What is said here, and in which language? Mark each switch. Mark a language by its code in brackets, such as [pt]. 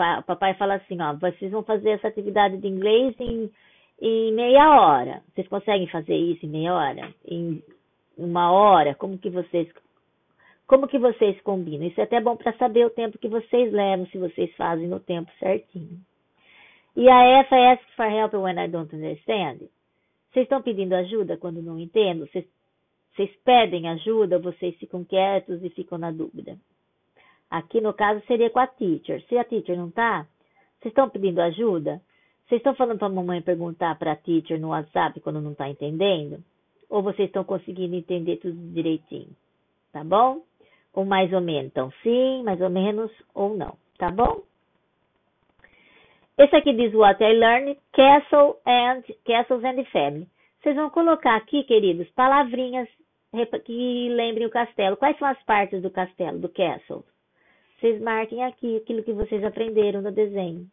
[pt] Papai fala assim, ó, vocês vão fazer essa atividade de inglês em meia hora. Vocês conseguem fazer isso em meia hora? Em uma hora? Como que vocês combinam? Isso é até bom para saber o tempo que vocês levam, se vocês fazem no tempo certinho. E a F, [en] I ask for help when I don't understand. [pt] Vocês estão pedindo ajuda quando não entendo? Vocês pedem ajuda, vocês ficam quietos e ficam na dúvida. Aqui no caso seria com a teacher. Se a teacher não tá, vocês estão pedindo ajuda? Vocês estão falando para a mamãe perguntar para a teacher no WhatsApp quando não está entendendo? Ou vocês estão conseguindo entender tudo direitinho? Tá bom? Ou mais ou menos? Então, sim, mais ou menos ou não. Tá bom? Esse aqui diz [en] what I learned, castles and family. [pt] Vocês vão colocar aqui, queridos, palavrinhas que lembrem o castelo. Quais são as partes do castelo, do castle? Vocês marquem aqui aquilo que vocês aprenderam no desenho.